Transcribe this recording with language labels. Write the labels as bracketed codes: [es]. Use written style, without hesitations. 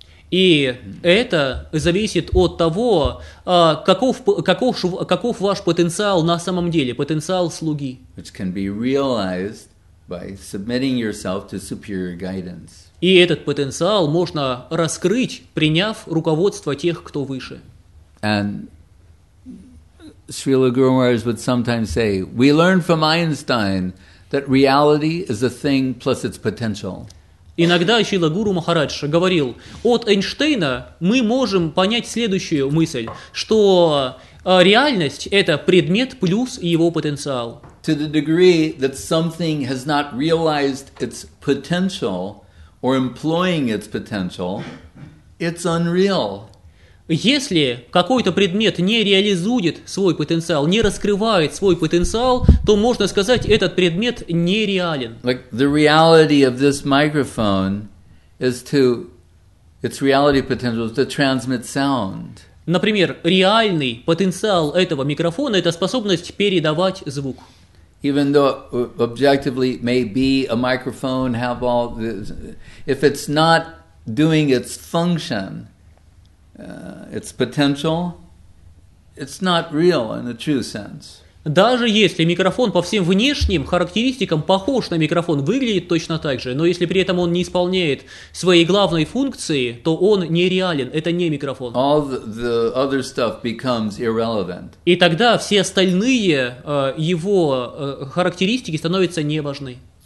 [ru] И это зависит от того, каков ваш потенциал на самом деле, потенциал слуги. [en] Which can be realized by submitting yourself to superior guidance. [ru] И этот потенциал можно раскрыть, приняв руководство тех, кто выше. [en] And Srila Guru Maharaj would sometimes say, we learn from Einstein that reality is a thing plus its potential. [ru] Иногда Шрила Гуру Махарадж говорил, от Эйнштейна мы можем понять следующую мысль, что реальность – это предмет плюс его потенциал. [en] To the degree that something has not realized its potential or employing its potential, it's unreal. [ru] Если какой-то предмет не реализует свой потенциал, не раскрывает свой потенциал, то можно сказать, этот предмет нереален. [en] Like the reality of this microphone is to its reality potential is to transmit sound. [ru] Например, реальный потенциал этого микрофона – это способность передавать звук. [en] Even though objectively may be a microphone have all this, if it's not doing its function. Its potential, it's not real in the true sense. [ru] Даже если микрофон по всем внешним характеристикам похож на микрофон, выглядит точно так же, но если при этом он не исполняет своей главной функции, то он нереален, это не микрофон. [en] All the other stuff becomes irrelevant. [ru] И тогда все остальные его характеристики становятся неважны.